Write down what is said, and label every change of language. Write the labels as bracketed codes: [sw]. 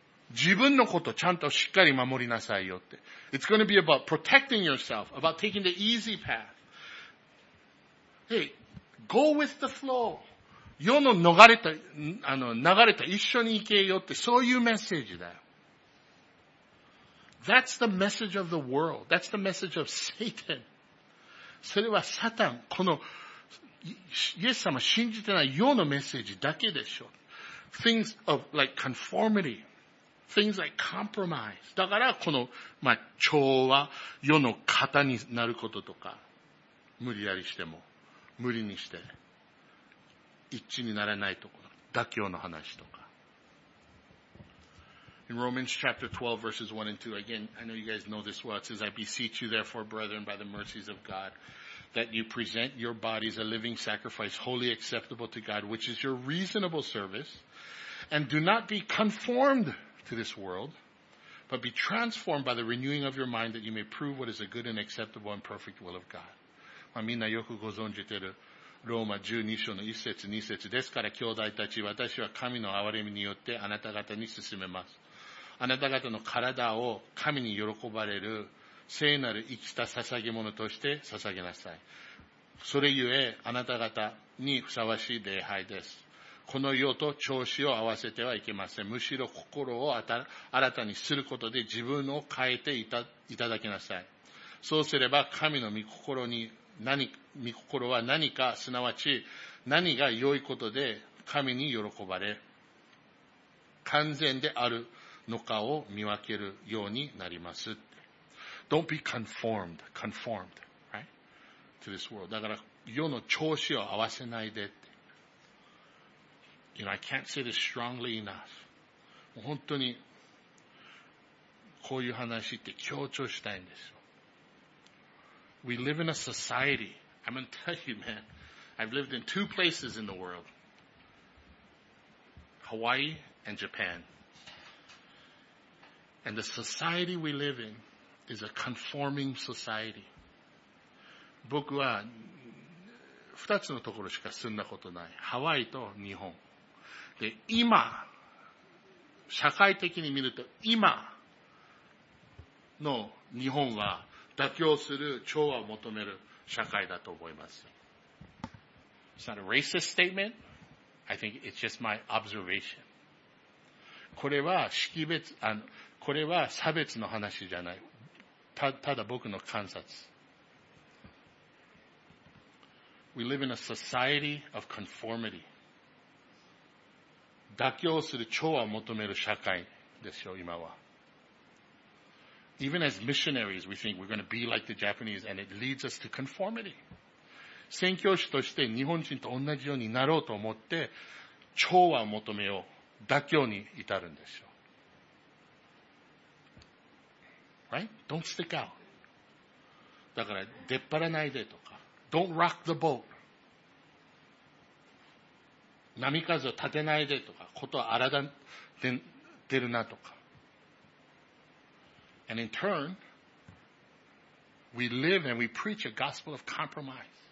[ja] 自分のことちゃんとしっかり守りなさいよって。 [en] It's going to be about protecting yourself, about taking the easy path. Hey, go with the flow. [ja] 世の流れた、流れた一緒に行けよって、そういうメッセージだよ。 [en] That's the message of the world. That's the message of Satan. [ja] それはサタン、この、イエス様信じてない世のメッセージだけでしょ。 [en] Things of, like, conformity. Things like compromise. [ja] だから、この、まあ、調和、世の型になることとか、無理やりしても、無理にして、一致にならないところ、妥協の話とか。 [en] In Romans chapter 12 verses 1 and 2, again, I know you guys know this well, it says, I beseech you therefore, brethren, by the mercies of God, that you present your bodies a living sacrifice, wholly acceptable to God, which is your reasonable service, and do not be conformed to this world, but be transformed by the renewing of your mind, that you may prove what is a good and acceptable and perfect will of God. [ja] まあ、みんなよくご存じてる。ローマ12章の1節2節ですから、兄弟たち、私は神の憐れみによってあなた方に進めます。あなた方の体を神に喜ばれる聖なる生きた捧げ物として捧げなさい。それゆえ、あなた方にふさわしい礼拝です。この世と調子を合わせてはいけません。むしろ心を新たにすることで自分を変えていただきなさい。そうすれば神の御心に見心は何か、すなわち何が良いことで神に喜ばれ、完全であるのかを見分けるようになります。 [en] Don't be conformed, right? To this world. [ja] だから世の調子を合わせないでって。 [en] You know, I can't say this strongly enough. [ja] もう本当にこういう話って強調したいんですよ。 [en] We live in a society. I'm going to tell you, man. I've lived in two places in the world. Hawaii and Japan. And the society we live in is a conforming society. [ja] 僕は二つのところしか住んだことない。ハワイと日本。で、今、社会的に見ると今の日本は妥協する、調和を求める社会だと思います。 [en] It's not a racist statement. I think it's just my observation. [ja] これは識別、これは差別の話じゃない。ただ僕の観察。 [en] We live in a society of conformity. [ja] 妥協する、調和を求める社会ですよ、今は。 [en] Even as missionaries, we think we're going to be like the Japanese, and it leads us to conformity. [ja] 宣教師として日本人と同じようになろうと思って、調和を求めよう、妥協に至るんですよ。 [en] Right? Don't stick out. [ja] だから、出っ張らないでとか。 [en] Don't rock the boat. [ja] 波風を立てないでとか、ことは荒だ、出るなとか。 [en] And in turn, we live and we preach a gospel of compromise.